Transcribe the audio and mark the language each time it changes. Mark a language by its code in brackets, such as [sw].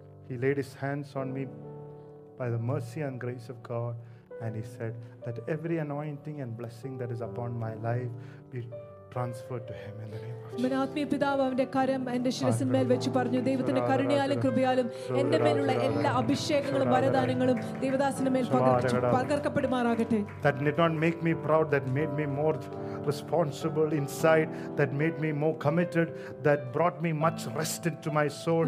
[en] He laid his hands on me by the mercy and grace of God, and he said that every anointing and blessing that is upon my life be transferred to him in the name of Jesus. [ml] മന ആത്മീയ പിതാവ് അവന്റെ കരം എന്റെ ശിരസ്സിന്മേൽ വെച്ച് പറഞ്ഞു, ദൈവത്തിന്റെ കരുണയാലും കൃപയാലും എന്റെ മേലുള്ള എല്ലാ അഭിഷേകങ്ങളും വരദാനങ്ങളും ദൈവദാസന്റെ മേൽ പകർക്കപ്പെടുമാറാകട്ടെ. [en] That did not make me proud, that made me more responsible inside, that made me more committed, that brought me much rest into my soul.